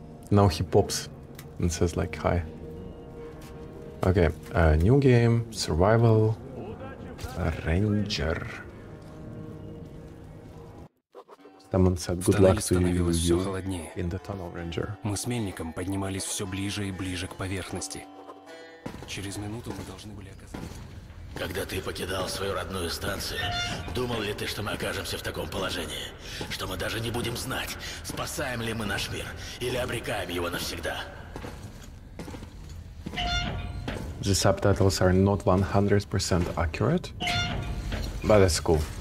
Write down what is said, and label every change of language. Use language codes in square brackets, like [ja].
[en] Now he pops and says like, hi. Okay, new game, survival, Ranger. Someone said good luck to you, you in the tunnel, Ranger. [ru] Мы с мельником поднимались все ближе и ближе к поверхности. Через минуту мы должны были оказаться... Когда ты покидал свою родную станцию, думал ли ты, что мы окажемся в таком положении? Что мы даже не будем знать, спасаем ли мы наш мир или обрекаем его навсегда? [en] The subtitles are not 100% accurate, but that's cool.